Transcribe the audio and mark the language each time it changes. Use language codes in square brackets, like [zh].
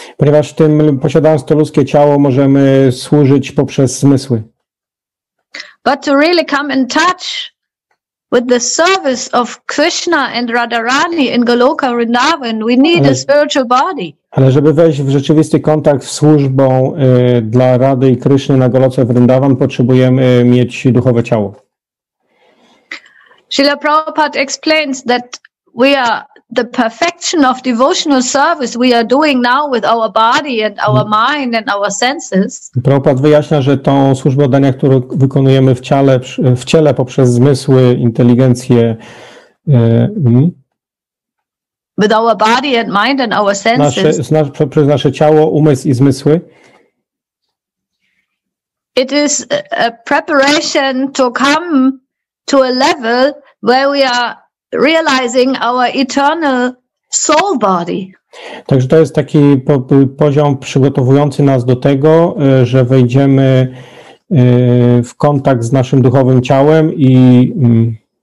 [pl] Ponieważ posiadając to ludzkie ciało, możemy służyć poprzez zmysły. [en] But to really come in touch with the service of Krishna and Radharani in Goloka Vrindavan, we need a spiritual body. [pl] Ale żeby wejść w rzeczywisty kontakt z służbą dla Rady i Krishny na Goloce Vrindavan, potrzebujemy mieć duchowe ciało. [en] Srila Prabhupada explains that we are the perfection of devotional service we are doing now with our body and our mind and our senses. [pl] Prabhupada wyjaśnia, że tą służbę oddania, którą wykonujemy w ciele poprzez zmysły, inteligencję, [en] with our body and mind and our senses, [pl] przez nasze ciało, umysł i zmysły, [en] it is a preparation to come to a level where we are realizing our eternal soul body. [pl] Także to jest taki poziom przygotowujący nas do tego, że wejdziemy w kontakt z naszym duchowym ciałem i